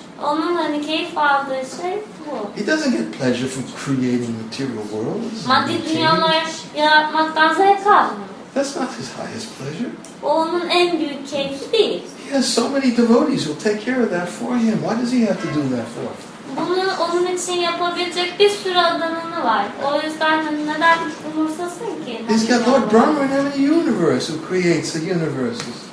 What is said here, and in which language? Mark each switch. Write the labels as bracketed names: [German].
[Turkish] Onun hani keyif aldığı şey bu. [English] He doesn't get pleasure from creating material worlds. [Turkish] Maddi dünyalar yaratmaktan zevk almıyor. [English] That's not his highest pleasure. [Turkish] Onun en büyük keyfi değil. [English] He has so many devotees who'll take care of that for him. Why does he have to do that for? [Turkish] Bunu onun için yapabilecek bir sürü adamını var. O yüzden hani neden umursasın ki? [English] He's got Lord Brahma in every universe who creates the universes.